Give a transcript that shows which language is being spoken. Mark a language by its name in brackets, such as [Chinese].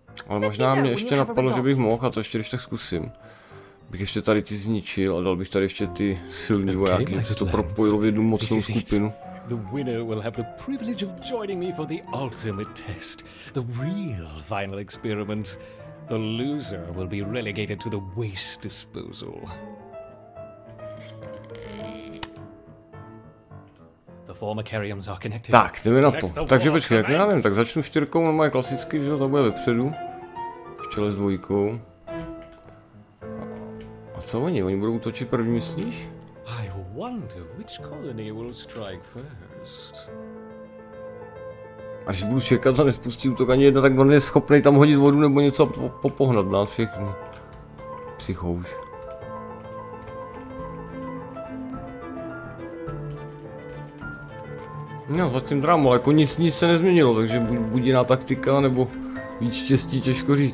[Czech] Ale možná mě ještě napadlo, že bych mohl, a to ještě když tak zkusím. Bych ještě tady ty zničil a dal bych tady ještě ty silný vojáky, kdyby se to propojilo v jednu mocnou skupinu. [English] The winner will have the privilege of joining me for the ultimate test. The real final experiment. The loser will be relegated to the waste disposal. The former cariums are connected. [Czech] Tak, jdeme na to. Takže počkej, jak já nevím, tak začnu čtyřkou, normálně klasicky, že to bude vepředu. V čele s dvojkou. A co oni? Oni budou točit první, myslíš? [English] I wonder which colony will strike first. [Czech] Až budu čekat a nespustí útok ani jedna, tak on je schopný tam hodit vodu nebo něco popohnat nás všechny. Psychouž. No, zatím drámo, ale jako nic se nezměnilo, takže buď jiná taktika, nebo víc štěstí, těžko říct.